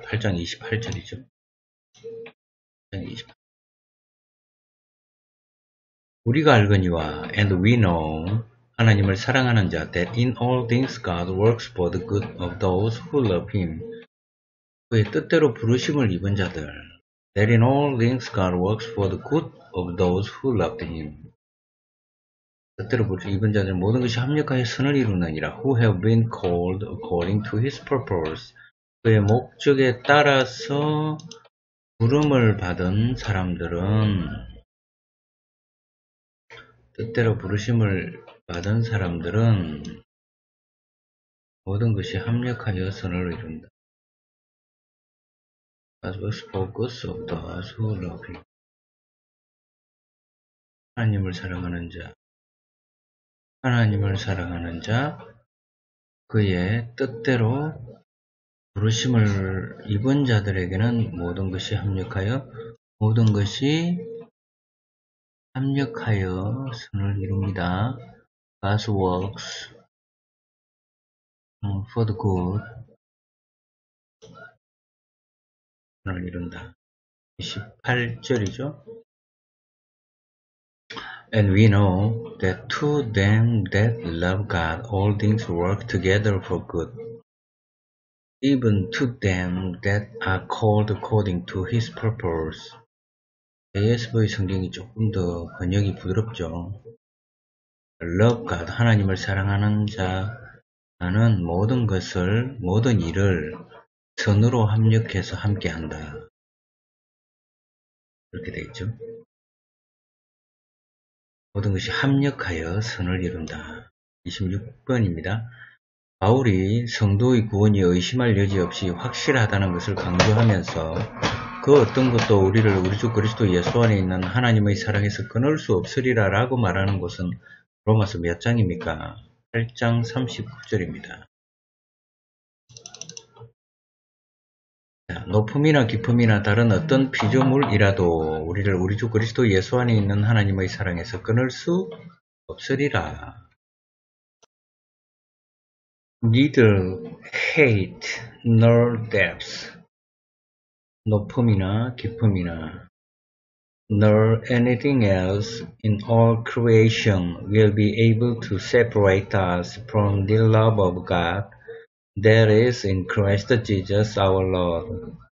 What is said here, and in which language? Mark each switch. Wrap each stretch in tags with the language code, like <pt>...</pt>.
<ko>8장 28절이죠. 8장 28. 우리가 알거니와</ko> <en>and we know</en> <ko>하나님을 사랑하는 자</ko> <en>that in all things God works for the good of those who love him.</en> <ko>그의 뜻대로 부르심을 입은 자들.</ko> <en>That in all things God works for the good of those who loved him.</en> <ko>뜻대로 부르심을 입은 자들 모든 것이 합력하여 선을 이루느니라.</ko> <en>Who have been called according to his purpose.</en> <ko>그의 목적에 따라서 부름을 받은 사람들은 뜻대로 부르심을 받은 사람들은 모든 것이 합력하여 선을 이룬다. As was focus of the as who love him. 하나님을 사랑하는 자. 하나님을 사랑하는 자. 그의 뜻대로 부르심을 입은 자들에게는 모든 것이 합력하여 모든 것이 합력하여 선을 이룹니다.</ko> <en>God works for the good.</en> <ko>선을 이룬다. 28절이죠.</ko> <en>And we know that to them that love God, all things work together for good. Even to them that are called according to his purpose.</en> <ko>ASV 성경이 조금 더 번역이 부드럽죠.</ko> <en>Love God,</en> <ko>하나님을 사랑하는 자는 모든 것을, 모든 일을 선으로 합력해서 함께 한다. 이렇게 되겠죠. 모든 것이 합력하여 선을 이룬다. 26번입니다. 바울이 성도의 구원이 의심할 여지 없이 확실하다는 것을 강조하면서 그 어떤 것도 우리를 우리 주 그리스도 예수 안에 있는 하나님의 사랑에서 끊을 수 없으리라 라고 말하는 것은 로마서 몇 장입니까? 8장 39절입니다. 높음이나 깊음이나 다른 어떤 피조물이라도 우리를 우리 주 그리스도 예수 안에 있는 하나님의 사랑에서 끊을 수 없으리라.</ko> <en>Neither height nor depth,</en> <ko>높음이나 깊음이나,</ko> <en>nor anything else in all creation will be able to separate us from the love of God that is in Christ Jesus our Lord.</en>